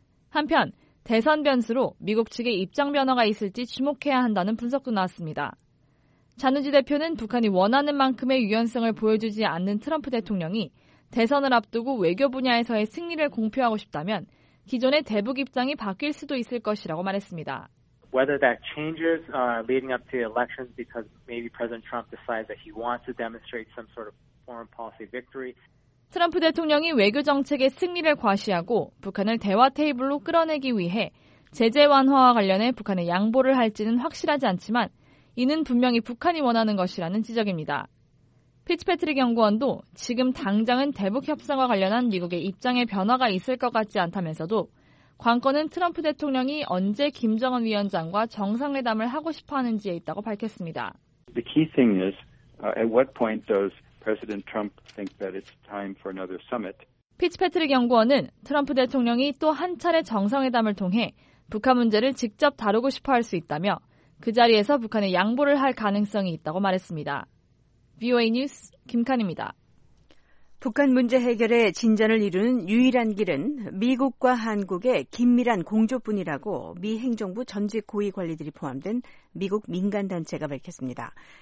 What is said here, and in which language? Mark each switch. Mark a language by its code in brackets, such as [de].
[ko] 한편 대선 변수로 미국 측의 입장 변화가 있을지 주목해야 한다는 분석도 나왔습니다. 자누지 대표는 북한이 원하는 만큼의 유연성을 보여주지 않는 트럼프 대통령이 대선을 앞두고 외교 분야에서의 승리를 공표하고 싶다면 기존의 대북 입장이 바뀔 수도 있을 것이라고 말했습니다. [en] Whether that changes leading up to elections because maybe President Trump decides that he wants to demonstrate some sort of foreign policy victory. [ko] 트럼프 대통령이 외교 정책의 승리를 과시하고 북한을 대화 테이블로 끌어내기 위해 제재 완화와 관련해 북한의 양보를 할지는 확실하지 않지만 이는 분명히 북한이 원하는 것이라는 지적입니다. 피츠패트릭 연구원도 지금 당장은 대북 협상과 관련한 미국의 입장에 변화가 있을 것 같지 않다면서도 관건은 트럼프 대통령이 언제 김정은 위원장과 정상회담을 하고 싶어 하는지에 있다고 밝혔습니다. [en] The key thing is at what point does President Trump think that it's time for another summit? [ko] 피츠패트릭 연구원은 트럼프 대통령이 또 한 차례 정상회담을 통해 북한 문제를 직접 다루고 싶어 할 수 있다며 그 자리에서 북한의 양보를 할 가능성이 있다고 말했습니다. VOA 뉴스 김칸입니다. 북한 문제 해결에 진전을 이루는 유일한 길은 미국과 한국의 긴밀한 공조뿐이라고 미 행정부 전직 고위 관리들이 포함된 미국 민간단체가 밝혔습니다.